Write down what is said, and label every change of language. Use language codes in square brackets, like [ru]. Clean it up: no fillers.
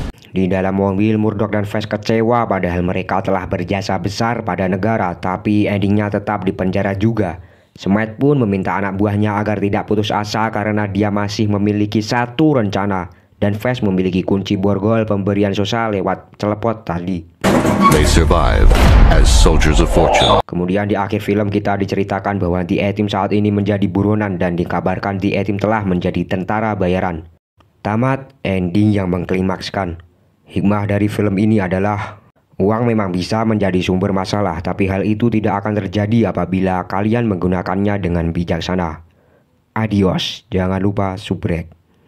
[id] Di dalam mobil, Murdoch dan Vess kecewa padahal mereka telah berjasa besar pada negara, tapi endingnya tetap dipenjara juga. Smite pun meminta anak buahnya agar tidak putus asa karena dia masih memiliki satu rencana, dan Vess memiliki kunci borgol pemberian Sosa lewat celepot tadi. [en] They survive as soldiers of fortune. [id] Kemudian di akhir film kita diceritakan bahwa The A-Team saat ini menjadi buronan dan dikabarkan The A-Team telah menjadi tentara bayaran. Tamat ending yang mengklimakskan. Hikmah dari film ini adalah uang memang bisa menjadi sumber masalah, tapi hal itu tidak akan terjadi apabila kalian menggunakannya dengan bijaksana. Adios, jangan lupa subrek.